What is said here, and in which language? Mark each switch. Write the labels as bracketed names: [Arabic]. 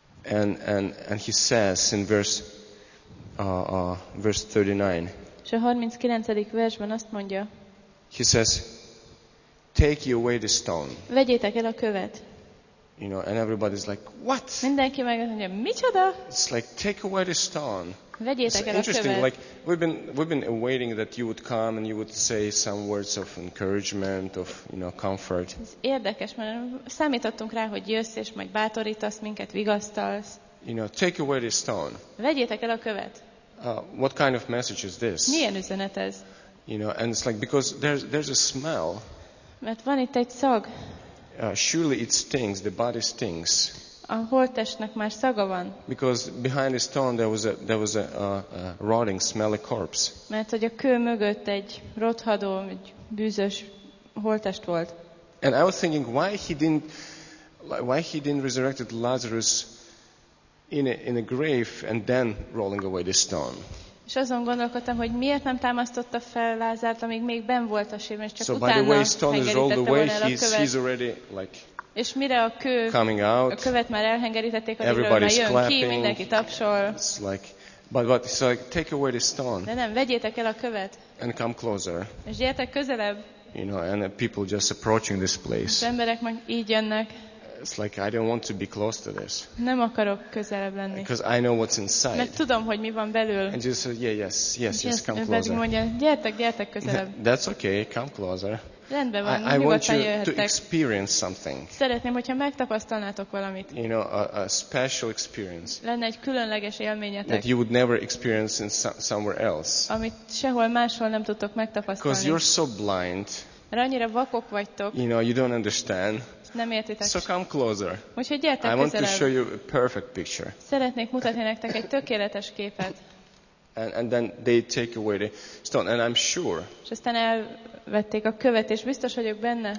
[English] And he says in verse 39. [Hungarian] És a 39. versben azt mondja. [English] He says, take away the stone. [Hungarian] Vegyétek el a követ. [English] You know, and everybody's like, what? [Hungarian] Mindenki meg azt mondja, micsoda? [English] It's like, take away the stone. [Hungarian] Vegyétek el a követ. [English] Interesting, like we've been awaiting that you would come and you would say some words of encouragement, of, you know, comfort. [Hungarian] Ez érdekes, mert számítottunk rá, hogy jössz és majd bátorítasz minket, vigasztalsz. [English] You know, take away the stone. [Hungarian] Vegyétek el a követ. [English] What kind of message is this? [Hungarian] Milyen üzenet ez? [English] You know, and it's like because there's a smell. [Hungarian] Mert van itt egy szag. [English] Surely it stinks. The body stinks. [Hungarian] A holttestnek már szaga van. [English] Because behind the stone there was a rotting, smelly corpse. [Hungarian] Mert hogy a kő mögött egy rothadó, egy bűzös holttest volt. [English] And I was thinking why he didn't resurrected Lazarus in a grave and then rolling away the stone. [Hungarian] És azon gondolkodtam, hogy miért nem támasztotta fel Lázárt, amíg még benn volt a sírban, és csak [English] so [Hungarian] utána hengerítette volna [English] away, [Hungarian] el a követ. [English] He's already, like, [Hungarian] és mire a kő, [English] out, [Hungarian] a követ már elhengerítették, a diről már jön [English] clapping, [Hungarian] ki, mindenki tapsol. [English] It's like, but it's like, take away the stone. [Hungarian] De nem, vegyétek el a követ. [English] And come closer. [Hungarian] És gyertek közelebb. [English] You know, and people just approaching this place. [Hungarian] Az emberek meg így jönnek. [English] It's like I don't want to be close to this. [Hungarian] Nem akarok közelebb lenni. [English] Because I know what's inside. [Hungarian] Mert tudom, hogy mi van belül. [English] And Jesus said, yeah, yes, come closer. [Hungarian] Pedig mondja, gyertek közelebb. [English] That's okay, come closer. [Hungarian] Rendben van, [English] I want you to experience something. [Hungarian] Szeretném, hogyha megtapasztalnátok valamit. [English] You know, a special experience. [Hungarian] Lenne egy különleges élményetek. [English] That you would never experience in somewhere else. [Hungarian] Amit sehol máshol nem tudtok megtapasztalni. [English] Because you're so blind. [Hungarian] Mert annyira vakok vagytok. [English] You know, you don't understand. [Hungarian] Nem értitek. [English] So come closer. [Hungarian] Úgyhogy gyertek közelebb. [English] I want to show you a perfect picture. [Hungarian] Szeretnék mutatni nektek egy tökéletes képet. [English] And then they take away the stone, and I'm sure. [Hungarian] És aztán elvették a követ, és biztos vagyok benne.